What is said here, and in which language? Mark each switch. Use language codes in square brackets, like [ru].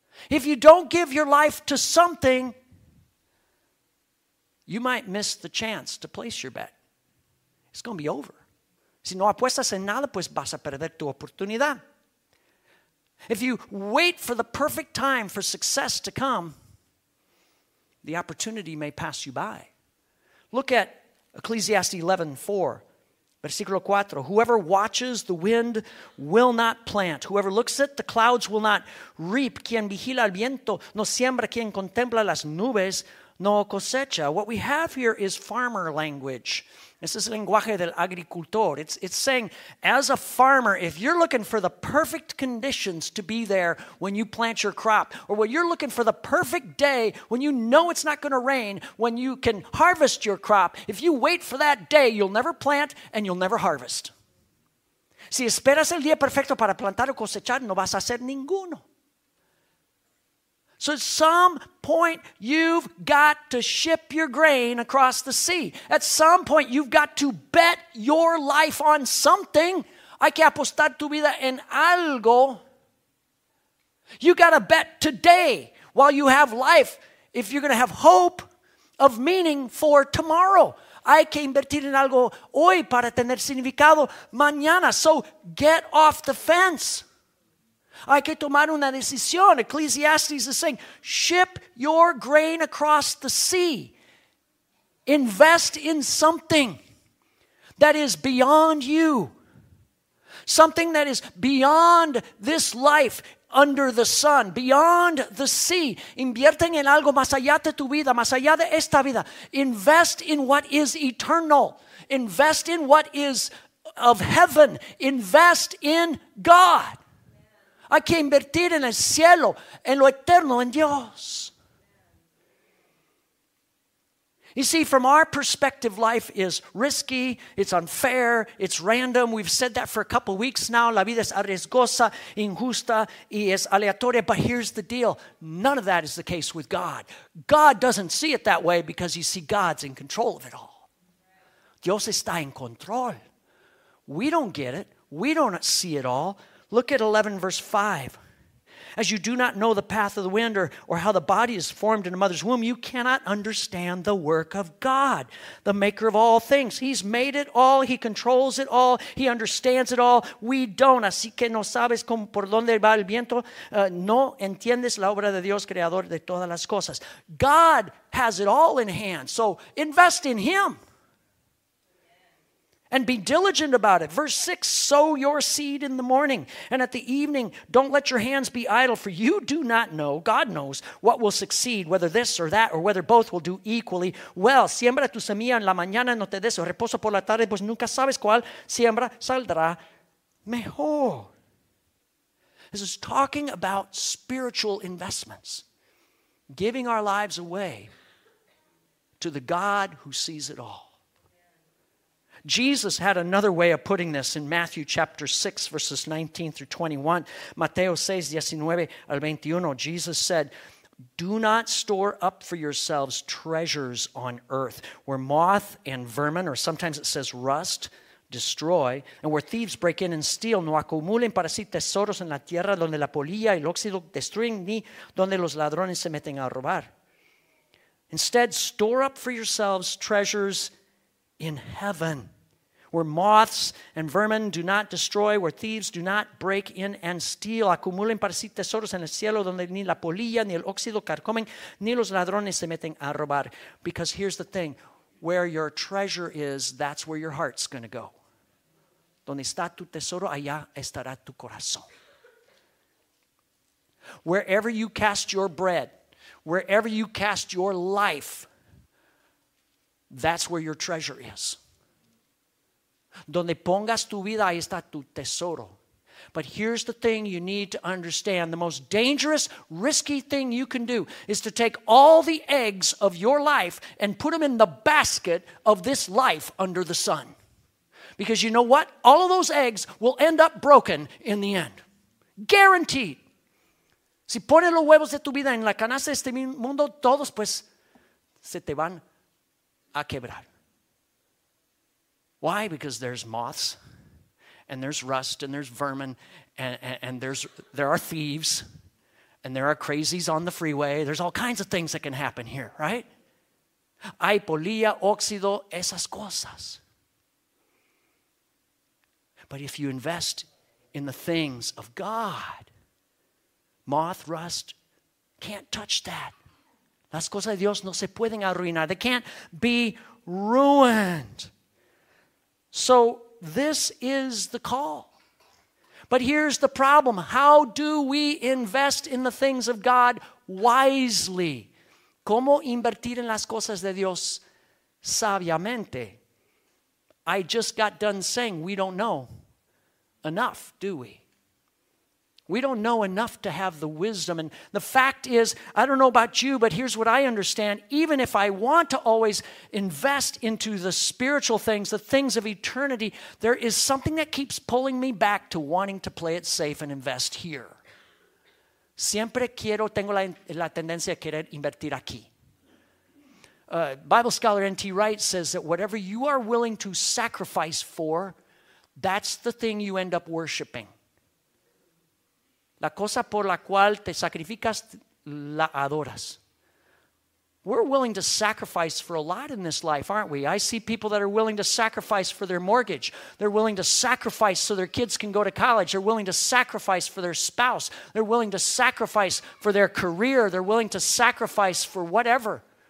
[en] If you don't give your life to something, you might miss the chance to place your bet. It's going to be over. [es] Si no apuestas en nada, pues vas a perder tu oportunidad. [en] If you wait for the perfect time for success to come, the opportunity may pass you by. Look at Ecclesiastes 11:4, [es] versículo 4. [en] Whoever watches the wind will not plant. Whoever looks at the clouds will not reap. [es] Quien vigila el viento no siembra. Quien contempla las nubes no cosecha. [en] What we have here is farmer language. This is [es] lenguaje del agricultor. [en] It's saying, as a farmer, if you're looking for the perfect conditions to be there when you plant your crop, or when you're looking for the perfect day when you know it's not going to rain, when you can harvest your crop, if you wait for that day, you'll never plant and you'll never harvest. [es] Si esperas el día perfecto para plantar o cosechar, no vas a hacer ninguno. [en] So at some point, you've got to ship your grain across the sea. At some point, you've got to bet your life on something. [es] Hay que apostar tu vida en algo. [en] You got to bet today while you have life if you're going to have hope of meaning for tomorrow. [es] Hay que invertir en algo hoy para tener significado mañana. [en] So get off the fence. [es] Hay que tomar una decisión. [en] Ecclesiastes is saying, ship your grain across the sea. Invest in something that is beyond you. Something that is beyond this life under the sun, beyond the sea. [es] Invierte en algo más allá de tu vida, más allá de esta vida. [en] Invest in what is eternal. Invest in what is of heaven. Invest in God. [es] Hay que invertir en el cielo, en lo eterno, en Dios. [en] You see, from our perspective, life is risky, it's unfair, it's random. We've said that for a couple weeks now. [es] La vida es arriesgosa, injusta, y es aleatoria. [en] But here's the deal. None of that is the case with God. God doesn't see it that way because, you see, God's in control of it all. [es] Dios está en control. [en] We don't get it. We don't see it all. Look at 11 verse 5. As you do not know the path of the wind or how the body is formed in a mother's womb, you cannot understand the work of God, the maker of all things. He's made it all. He controls it all. He understands it all. We don't. [es] Así que no sabes cómo por dónde va el viento. No entiendes la obra de Dios, creador de todas las cosas. [en] God has it all in hand. So invest in him. And be diligent about it. Verse 6, sow your seed in the morning. And at the evening, don't let your hands be idle. For you do not know, God knows, what will succeed. Whether this or that, or whether both will do equally well. [es] Siembra tu semilla en la mañana, no te des reposo por la tarde. Pues nunca sabes cuál siembra saldrá mejor. [en] This is talking about spiritual investments. Giving our lives away to the God who sees it all. Jesus had another way of putting this in Matthew chapter 6, verses 19 through 21. [es] Mateo 6, 19 al 21. [en] Jesus said, do not store up for yourselves treasures on earth where moth and vermin, or sometimes it says rust, destroy, and where thieves break in and steal. [es] No acumulen para sí tesoros en la tierra donde la polilla y el óxido destruyen ni donde los ladrones se meten a robar. [en] Instead, store up for yourselves treasures in heaven, where moths and vermin do not destroy, where thieves do not break in and steal. [es] Acumulen para sí tesoros en el cielo donde ni la polilla ni el óxido carcomen ni los ladrones se meten a robar. [en] Because here's the thing, where your treasure is, that's where your heart's going to go. [es] Donde está tu tesoro, allá estará tu corazón. [en] Wherever you cast your bread, wherever you cast your life, that's where your treasure is. [es] Donde pongas tu vida, ahí está tu tesoro. [en] But here's the thing you need to understand. The most dangerous, risky thing you can do is to take all the eggs of your life and put them in the basket of this life under the sun. Because you know what? All of those eggs will end up broken in the end. Guaranteed. [es] Si pones los huevos de tu vida en la canasta de este mundo, todos pues se te van a quebrar. [en] Why? Because there's moths, and there's rust, and there's vermin, and there are thieves, and there are crazies on the freeway. There's all kinds of things that can happen here, right? [es] Hay polilla, óxido, esas cosas. [en] But if you invest in the things of God, moth, rust, can't touch that. [es] Las cosas de Dios no se pueden arruinar. [en] They can't be ruined. So this is the call. But here's the problem. How do we invest in the things of God wisely? [es] ¿Cómo invertir en las cosas de Dios sabiamente? [en] I just got done saying we don't know enough, do we? We don't know enough to have the wisdom. And the fact is, I don't know about you, but here's what I understand. Even if I want to always invest into the spiritual things, the things of eternity, there is something that keeps pulling me back to wanting to play it safe and invest here. [es] Siempre quiero, tengo la tendencia a querer invertir aquí. [en] Bible scholar N.T. Wright says that whatever you are willing to sacrifice for, that's the thing you end up worshiping. [es] La cosa por la cual te sacrificas, la adoras. [en] We're willing to sacrifice for a lot in this life, aren't we? I see people that are willing to sacrifice for their mortgage. They're willing to sacrifice so their kids can go to college. They're willing to sacrifice for their spouse. They're willing to sacrifice for their career. They're willing to sacrifice for whatever.